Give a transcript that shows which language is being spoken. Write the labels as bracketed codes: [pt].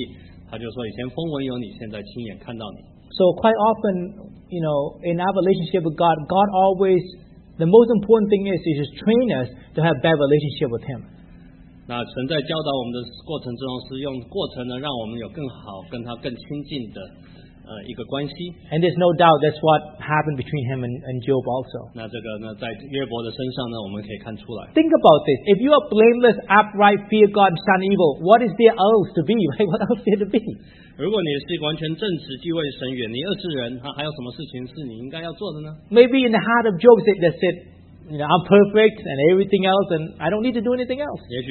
[zh] 那他经过了这样子的一个过程，受苦的过程，他了解了神的旨意，他就说：“以前风闻有你，现在亲眼看到你。” So [en] quite often, you know, in our relationship with God, God always the most important thing is to train us to have bad relationship with Him. [zh] 那神在教导我们的过程之中，是用过程呢，让我们有更好跟他更亲近的。 [en] And there's no doubt that's what happened between him and Job also. [zh] 那这个呢，在约伯的身上呢，我们可以看出来。 [en] Think about this. If you are blameless, upright, fear God, shun evil, what is there else to be? What else there to be? [zh] 如果你是完全正直、敬畏神、远离恶之人，还有什么事情是你应该要做的呢？ [en] Maybe in the heart of Job, they said, you know, I'm perfect and everything else, and I don't need to do anything else.